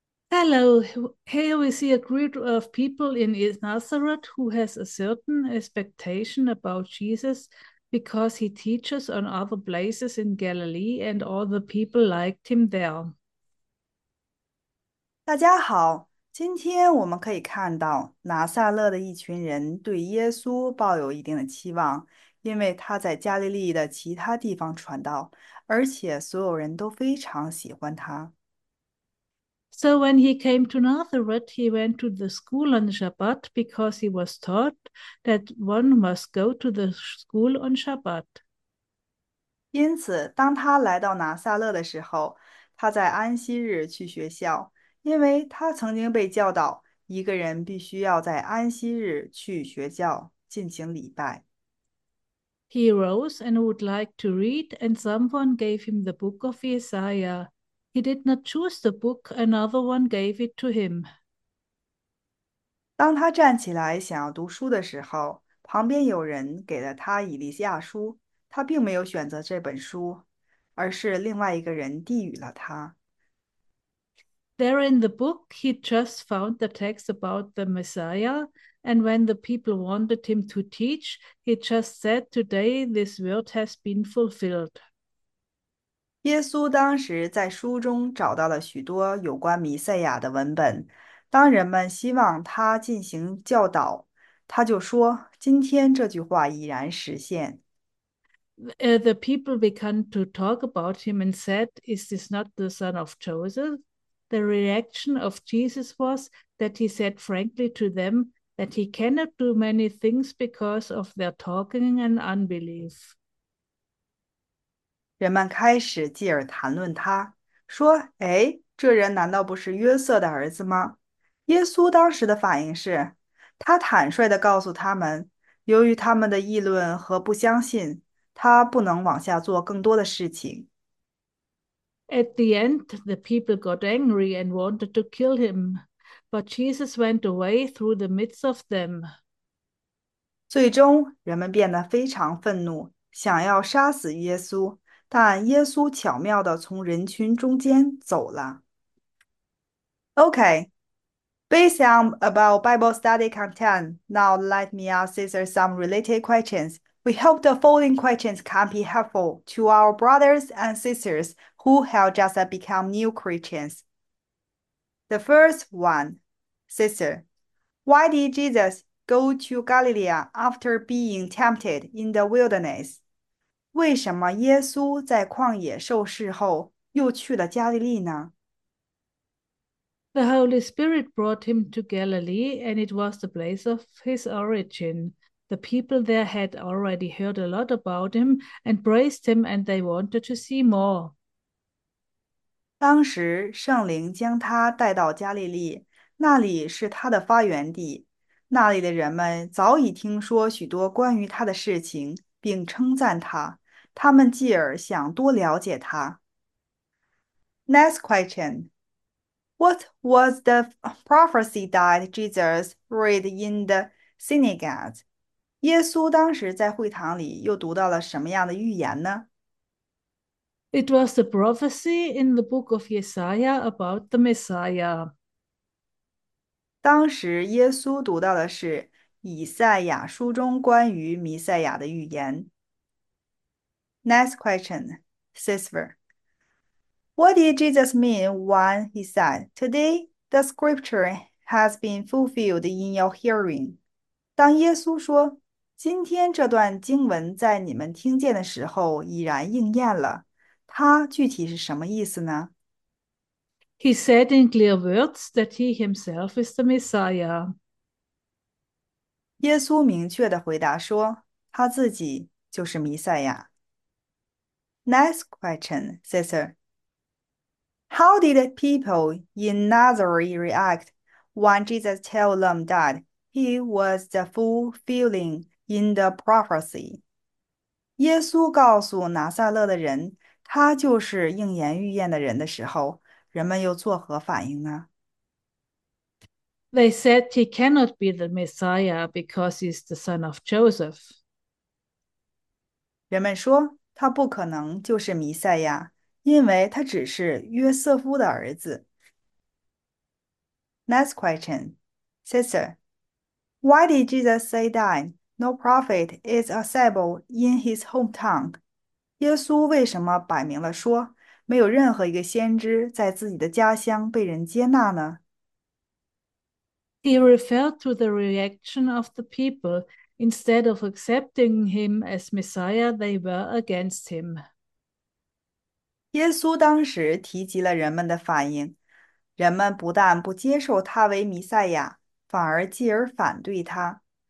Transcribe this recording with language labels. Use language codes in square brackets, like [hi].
[en] Hello, here we see a group of people in Nazareth who has a certain expectation about Jesus because he teaches on other places in Galilee and all the people liked him there. [zh] 大家好，今天我们可以看到拿撒勒的一群人对耶稣抱有一定的期望，因为他在加利利的其他地方传道，而且所有人都非常喜欢他。 [en] So when he came to Nazareth, he went to the school on Shabbat because he was taught that one must go to the school on Shabbat. [zh] 因此，当他来到拿撒勒的时候，他在安息日去学校。因为他曾经被教导，一个人必须要在安息日去学校进行礼拜。 [en] He rose and would like to read, and someone gave him the book of Isaiah. He did not choose the book, another one gave it to him. [zh] 当他站起来想要读书的时候，旁边有人给了他以利亚书，他并没有选择这本书，而是另外一个人递予了他。 [en] There in the book, he just found the text about the Messiah, and when the people wanted him to teach, he just said, "Today this word has been fulfilled." [zh] 耶稣当时在书中找到了许多有关弥赛亚的文本，当人们希望他进行教导，他就说：“今天这句话已然实现。 [en] The people began to talk about him and said, "Is this not the son of Joseph?" The reaction of Jesus was that he said frankly to them that he cannot do many things because of their talking and unbelief. [zh] ”人们开始继而谈论他，说：“哎，这人难道不是约瑟的儿子吗？” 耶稣当时的反应是，他坦率地告诉他们，由于他们的议论和不相信，他不能往下做更多的事情。 [en] At the end, the people got angry and wanted to kill him, but Jesus went away through the midst of them. [zh] 最终，人们变得非常愤怒，想要杀死耶稣，但耶稣巧妙地从人群中间走了。 [en] OK。 Based on about Bible study content, now let me ask Caesar some related questions. We hope the following questions can be helpful to our brothers and sisters who have just become new Christians. The first one, Caesar, why did Jesus go to Galilee after being tempted in the wilderness? [zh] 为什么耶稣在旷野受试后又去了加利利呢？ [en] The Holy Spirit brought him to Galilee, and it was the place of his origin. The people there had already heard a lot about him and praised him, and they wanted to see more. [zh] 当时圣灵将他带到加利利，那里是他的发源地。那里的人们早已听说许多关于他的事情，并称赞他，他们继而想多了解他。 [en] Next question. What was the prophecy that Jesus read in the synagogue? [zh] 耶稣当时在会堂里又读到了什么样的预言呢？ [en] It was the prophecy in the book of Isaiah about the Messiah. [zh] 当时耶稣读到的是以赛亚书中关于弥赛亚的预言。 [en] Next question, Caesar. What did Jesus mean when he said, "Today the scripture has been fulfilled in your hearing"? [zh] 当耶稣说“今天这段经文在你们听见的时候已然应验了”，它具体是什么意思呢？ [en] He said in clear words that he himself is the Messiah. [zh] 耶稣明确地回答说：“他自己就是弥赛亚。 [en] ”Next question, Caesar. How did people in Nazareth react when Jesus told them that he was the fulfilling in the prophecy? [zh] 耶稣告诉拿撒勒的人，他就是应验预言的人的时候，人们又作何反应呢？ [en] They said he cannot be the Messiah because he's the son of Joseph. [zh] 人们说他不可能就是弥赛亚，因为他只是约瑟夫的儿子。 [en] Next question, Caesar, why did Jesus say that no prophet is acceptable in his hometown? [zh] 耶稣为什么摆明了说没有任何一个先知在自己的家乡被人接纳呢？ [en] He referred to the reaction of the people. Instead of accepting him as Messiah, they were against him. [zh] 耶稣当时提及了人们的反应，人们不但不接受他为弥赛亚，反而继而反对他。